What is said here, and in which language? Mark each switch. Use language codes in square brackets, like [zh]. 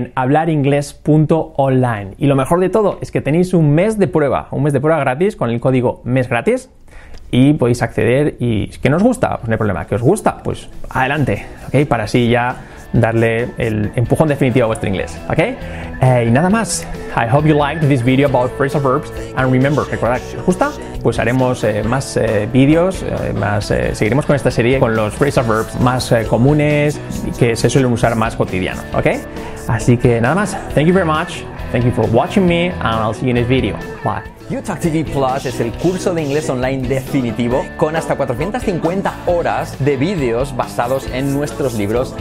[es] En hablaringles.online. Y lo mejor de todo es que tenéis un mes de prueba gratis con el código MESGRATIS. Y podéis acceder y que nos gusta, pues no hay problema, que os gusta, pues adelante, ¿ok? Para así ya darle el empujón definitivo a vuestro inglés, ¿ok? Y nada más. [en] I hope you liked this video about phrasal verbs. And remember, [es] recordad que si os gusta, pues haremos más vídeos, seguiremos con esta serie con los phrasal verbs más comunes y que se suelen usar más cotidiano, ¿ok? Así que nada más. [en] Thank you very much. Thank you for watching me and I'll see you in this video. Bye. [es] UTalk TV Plus es el curso de inglés online definitivo con hasta 450 horas de vídeos basados en nuestros libros.